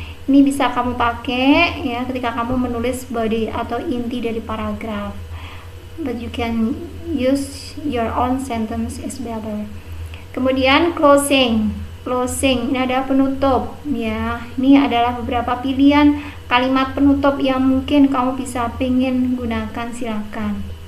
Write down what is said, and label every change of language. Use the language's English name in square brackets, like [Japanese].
[Indonesian] Ini bisa kamu pakai, ya, ketika kamu menulis body atau inti dari paragraf. [English] But you can use your own sentence is better. [Indonesian] Kemudian closing. Ini ada penutup, ya. Ini adalah beberapa pilihan kalimat penutup yang mungkin kamu bisa pengen gunakan, silakan.